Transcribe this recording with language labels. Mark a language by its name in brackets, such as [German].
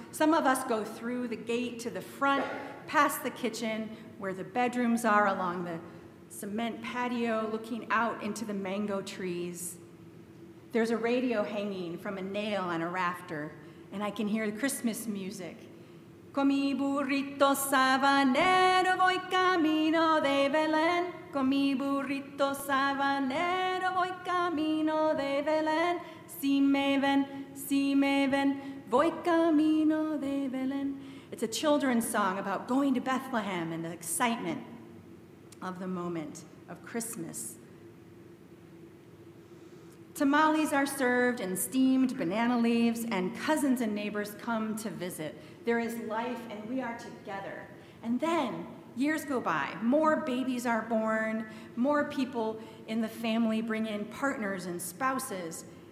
[English] Some of us go through the gate to the front, past the kitchen, where the bedrooms are, along the cement patio, looking out into the mango trees. There's a radio hanging from a nail on a rafter, and I can hear the Christmas music. [Spanish] Con mi burrito sabanero voy camino de Belén. Con mi burrito sabanero voy camino de Belén. Si me ven, voy camino de Belén. [English] It's a children's song about going to Bethlehem and the excitement of the moment of Christmas. Tamales are served and steamed banana leaves, and cousins and neighbors come to visit. There is life and we are together. And then years go by, more babies are born, more people in the family bring in partners and spouses.